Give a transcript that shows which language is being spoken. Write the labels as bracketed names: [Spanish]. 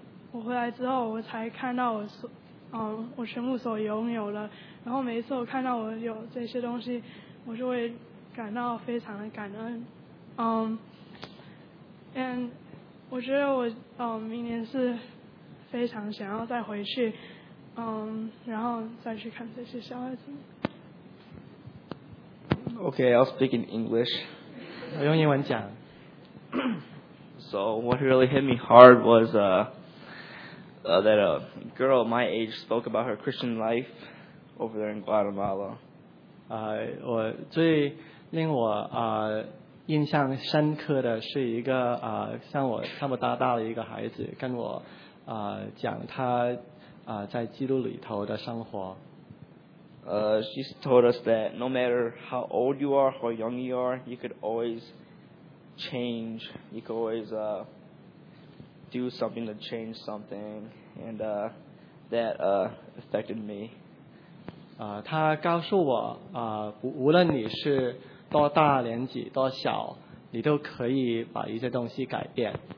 [Chinese] 我回来之后我才看到我全部所拥有的，然后每一次我看到我有这些东西，我就会感到非常的感恩。 And 我觉得我明年是非常想要再回去，然后再去看这些小孩子。 [English] Okay, I'll speak in English. [Chinese] 我用英文讲。 [English] So what really hit me hard was that a girl my age spoke about her Christian life over there in Guatemala. [Chinese] 我最令我印象深刻的是一个像我差不多大的一个孩子跟我讲他在基督里头的生活。 [English] She told us that no matter how old you are, how young you are, you could always change. You could always do something to change something, and that affected me. [Chinese] 他告诉我无论你是多大年纪多小，你都可以把一些东西改变。